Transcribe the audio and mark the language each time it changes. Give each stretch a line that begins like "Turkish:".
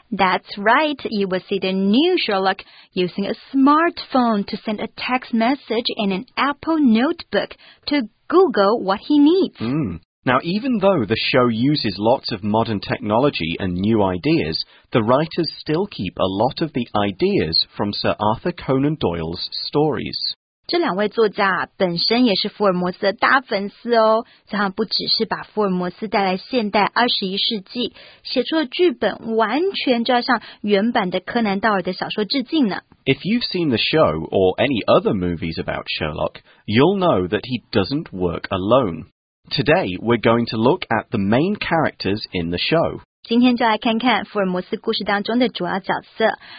English: That's right, you will see the new Sherlock using a smartphone to send a text message in an Apple notebook to Google what he needs. Now, even though the show uses lots of modern technology and new ideas, the writers still keep a lot of the ideas from Sir Arthur Conan Doyle's stories.
Chinese: 这两位作家啊，本身也是福尔摩斯的大粉丝哦，所以他们不只是把福尔摩斯带来现代21世纪，写出的剧本完全就要向原版的柯南道尔的小说致敬呢。
English: If you've seen the show or any other movies about Sherlock, you'll know that he doesn't work alone. Today, we're going to look at the main characters in the show.
Chinese: 今天就来看看福尔摩斯故事当中的主要角色。